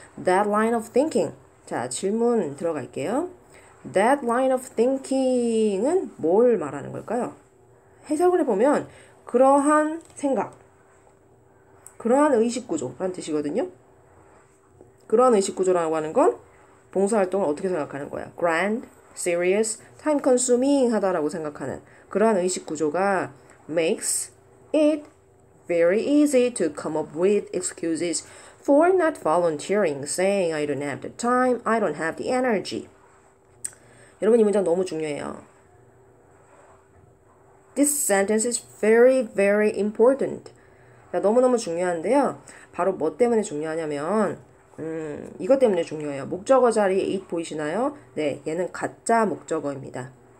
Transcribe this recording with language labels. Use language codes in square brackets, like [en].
[en] That line of thinking. [ko] 자, 질문 들어갈게요. [en] That line of thinking [ko] 은 뭘 말하는 걸까요? 해석을 해보면, 그러한 생각, 그러한 의식구조라는 뜻이거든요. 그러한 의식구조라고 하는 건, 봉사활동을 어떻게 생각하는 거야? [en] Grand, serious, time consuming [ko] 하다라고 생각하는 그러한 의식구조가 [en] makes it very easy to come up with excuses for not volunteering, saying I don't have the time, I don't have the energy. [ko] 여러분, 이 문장 너무 중요해요. [en] This sentence is very, very important. [ko] 야, 너무너무 중요한데요. 바로 뭐 때문에 중요하냐면, 이것 때문에 중요해요. 목적어 자리에 it 보이시나요? 네, 얘는 가짜 목적어입니다.